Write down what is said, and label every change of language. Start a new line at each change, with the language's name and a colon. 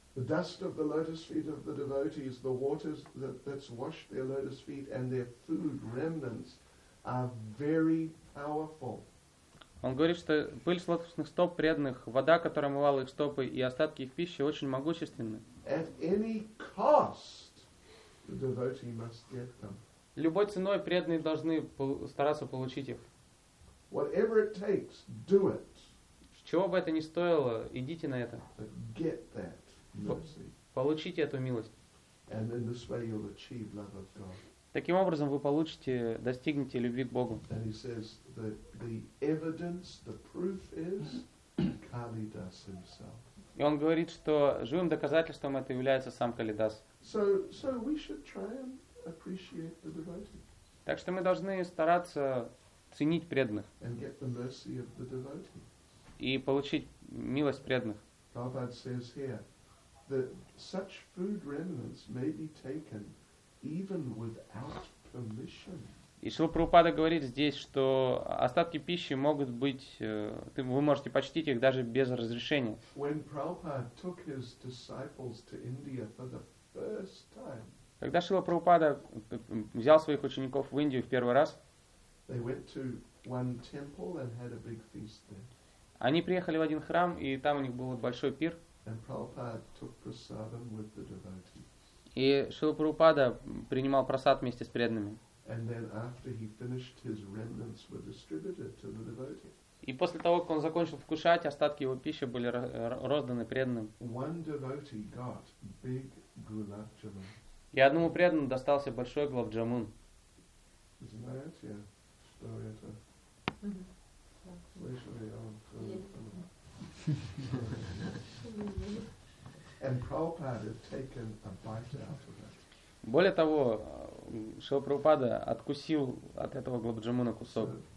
English: The dust of the lotus feet of the devotees, the waters that's washed their lotus feet and their food remnants are very powerful.
Russian: Он говорит, что пыль с лотосных стоп преданных, вода, которая омывала их стопы, и остатки их пищи очень могущественны.
English: At any cost, the devotee must get them.
Russian: Любой ценой преданные должны стараться получить их.
English: Whatever it takes, do it.
Russian: Чего бы это ни стоило, идите на это.
English: Get that mercy.
Russian: Получите эту милость.
English: And in this way you'll achieve love of God.
Russian: Таким образом вы достигнете любви к Богу.
English: And he says that the evidence, the proof is Kalidas himself.
Russian: И он говорит, что живым доказательством это является сам Калидас.
English: So we should try and appreciate the devotee.
Russian: Так что мы должны стараться ценить преданных.
English: And get the mercy of the devotee.
Russian: И получить милость преданных.
English: Prabhupada says here that such food remnants may be taken even without permission.
Russian: И Шрила Прабхупада говорит здесь, что остатки пищи могут быть, вы можете почтить их даже без разрешения.
English: When Prabhupada took his disciples to India for the first time,
Russian: Когда Шрила Прабхупада взял своих учеников в Индию в первый раз,
English: they went to one temple and had a big feast there.
Russian: Они приехали в один храм, и там у них был большой пир.
English: And Prabhupada took prasadam with the devotees.
Russian: И Шрила Прабхупада принимал прасад вместе с преданными.
English: And then after he finished, his remnants were distributed to the devotees.
Russian: И после того, как он закончил вкушать, остатки его пищи были розданы преданным.
English: One devotee got big gulab jamun.
Russian: И одному преданному достался большой гулаб джамун. Знаете, что это? Слышали о том?
English: And Prabhupada had taken a bite out of it.
Russian: Более того, Шрила Прабхупада откусил от этого гулаб джамуна кусок.